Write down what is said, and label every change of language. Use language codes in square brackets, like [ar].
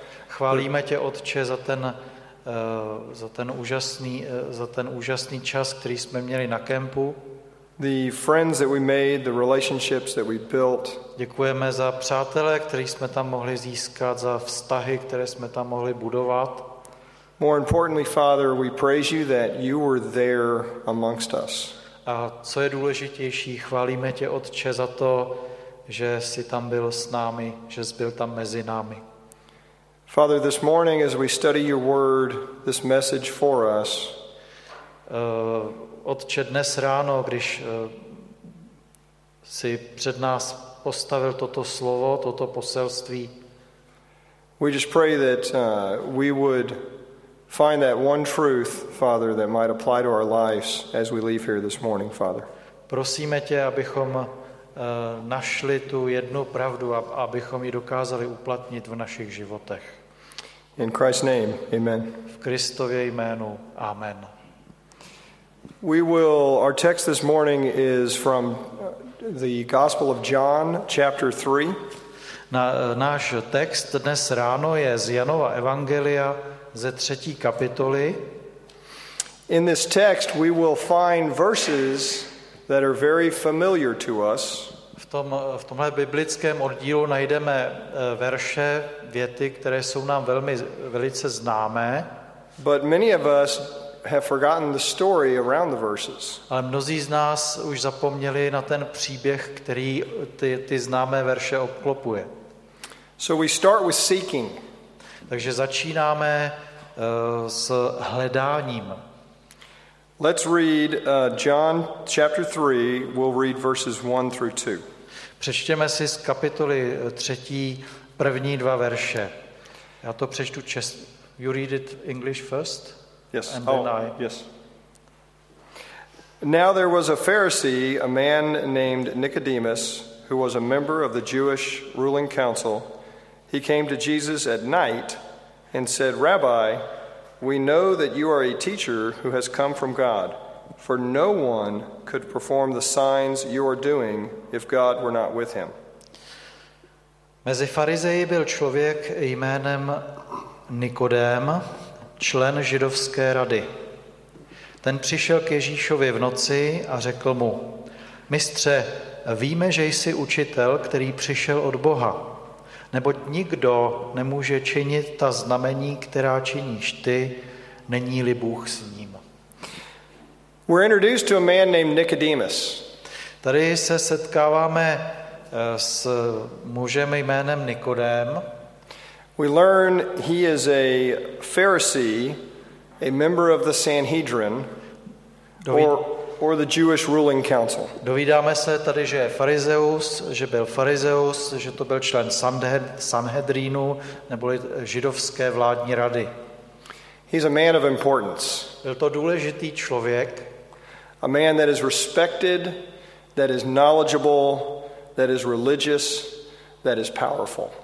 [cs] Chválíme tě, Otče, za ten úžasný čas, který jsme měli na kempu. [en] The friends that we made, the relationships that we built. [cs] Děkujeme za přátele, které jsme tam mohli získat, za vztahy, které jsme tam mohli budovat. [en] More importantly, Father, we praise you that you were there amongst us. [cs] A co je důležitější, chválíme tě, Otče, za to, že jsi tam byl s námi, že jsi byl tam mezi námi. [en] Father, this morning as we study your word, this message for us. [cs] Otče, dnes ráno, když si před nás postavil toto slovo, toto poselství. [en] We just pray that we would find that one truth, Father, that might apply to our lives as we leave here this morning, Father. [cs] Prosíme tě, abychom našli tu jednu pravdu a abychom ji dokázali uplatnit v našich životech. [en] In Christ's name, amen. [cs] V Kristově jménu, amen. [en] Our text this morning is from the Gospel of John, chapter 3. [cs] Náš text dnes ráno je z Janova evangelia ze třetí kapitoly. [en] In this text we will find verses that are very familiar to us. [cs] V tomhle biblickém oddílu najdeme verše, věty, které jsou nám velice známé. [en] But many of us have forgotten the story around the verses. [cs] Ale mnozí z nás už zapomněli na ten příběh, který ty známé verše obklopuje. [en] So we start with seeking. [cs] Takže začínáme s hledáním. [en] Let's read John chapter 3, we'll read verses 1 through 2. [cs] Přečtěme si z kapitoly 3 první dva verše. Já to přečtu [en] you read it English first? Yes. Yes. Now there was a Pharisee, a man named Nicodemus, who was a member of the Jewish ruling council. He came to Jesus at night and said, "Rabbi, we know that you are a teacher who has come from God, for no one could perform the signs you are doing if God were not with him. [cs] Mezi farizeji byl člověk jménem Nikodém, člen židovské rady. Ten přišel k Ježíšovi v noci a řekl mu: Mistře, víme, že jsi učitel, který přišel od Boha, neboť nikdo nemůže činit ta znamení, která činíš ty, není-li Bůh s ním. [en] We're introduced to a man named Nicodemus. [cs] Tady se setkáváme s mužem jménem Nikodém. [en] We learn he is a Pharisee, a member of the Sanhedrin, or the Jewish ruling council. [cs] Dovídáme se tady, že je farizeus, že byl farizeus, že to byl člen Sanhedrinu, neboli židovské vládní rady. [en] He's a man of importance. [cs] Byl to důležitý člověk. [en] A man that is respected, that is knowledgeable, that is religious, that is powerful.